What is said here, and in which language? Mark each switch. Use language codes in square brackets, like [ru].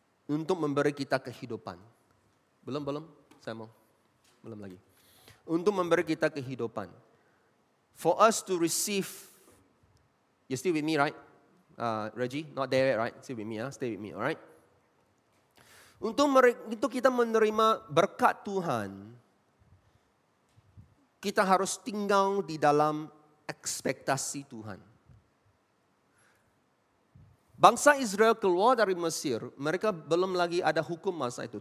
[ms] Untuk memberi kita kehidupan. Belum, saya mau. Belum lagi. Untuk memberi kita kehidupan. [en] For us to receive, you're still with me, right? Reggie, not David, right? Still with me, yeah? Stay with me, alright? [ms] Untuk kita menerima berkat Tuhan, kita harus tinggal di dalam ekspektasi Tuhan. Bangsa Israel keluar dari Mesir, mereka belum lagi ada hukum masa itu.